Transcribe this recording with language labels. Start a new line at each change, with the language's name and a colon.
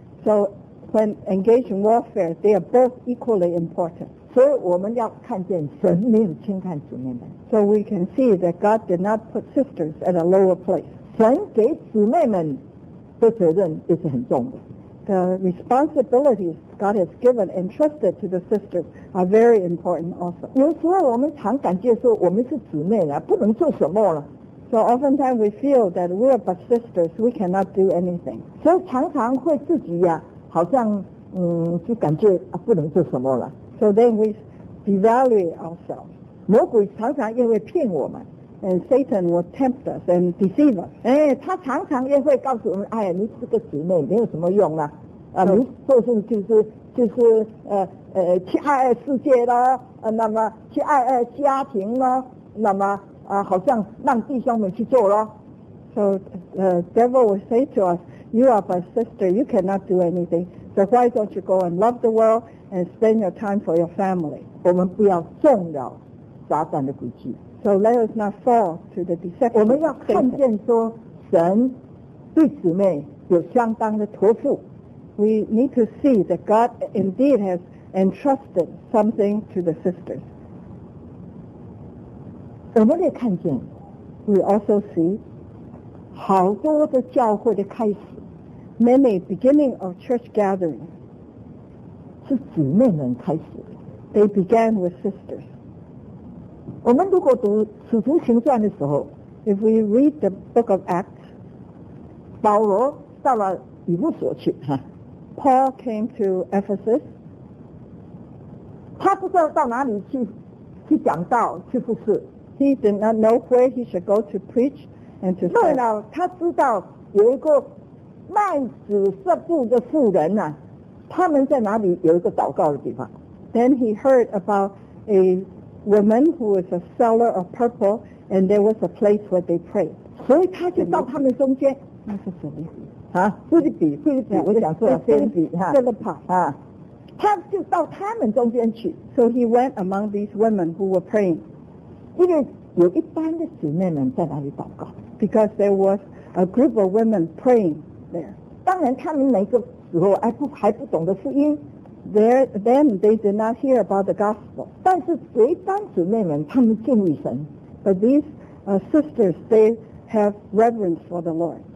English: So when engaged in warfare they are both equally important
Chinese: 所以我们要看见神没有轻看姊妹们
English: So we can see that God did not put sisters at a lower place
Chinese: 神给姊妹们这责任也是很重的
English: The responsibilities God has given and trusted to the sisters are very important also
Chinese: 有时候我们常感觉说我们是姊妹了不能做什么了
English: So oftentimes we feel that we are but sisters we cannot do anything
Chinese: 所以常常会自己呀、啊、好像就感觉、啊、不能做什么了
English: So then we devalue ourselves
Chinese: 魔鬼常常因为骗我们
English: And Satan will tempt us and deceive us.
Chinese: 他常常也会告诉我们，哎呀，你这个姊妹没有什么用啦，啊，你做事就是去爱爱世界啦，那么去爱爱家庭啦，那么啊，好像让弟兄们去做咯。
English: So the devil will say to us, "You are my sister. You cannot do anything. So why don't you go and love the world and spend your time for your family?"
Chinese: 我们不要中了撒旦的诡计。
English: So let us not fall to the deception.
Chinese: 我们要看见说神对姊妹有相当的托付。
English: We need to see that God indeed has entrusted something to the sisters.
Chinese: 我们也看见
English: We also see
Chinese: 好多的教会的开始
English: Many beginning of church gatherings
Chinese: 是姊妹们开始的
English: They began with sisters.
Chinese: 我们如果读《使徒行传》的时候
English: If we read the book of Acts
Chinese: 保罗到了以弗所去
English: Paul came to Ephesus
Chinese: 他不知道到哪里去讲道去服事
English: He did not know where he should go to preach and to say
Chinese: 他知道有一个卖紫色布的妇人、啊、他们在哪里有一个祷告的地方
English: Then he heard about aWoman who was a seller of purple, and there was a place where they prayed.
Chinese: 所以他就到他们中间。那是什么？啊，菲律宾，菲律宾，我想说了，菲律宾哈。菲律宾啊，他就到他们中间去。
English: So he went among these women who were praying.
Chinese: 因为有一般的姊妹们在那里祷告。
English: Because there was a group of women praying.
Chinese: 当然他们每个时候还不懂得福音。
English: There, then they did not hear about the gospel.
Chinese: 但是随班姊妹们他们敬畏神。
English: But these, sisters, they have reverence for the Lord.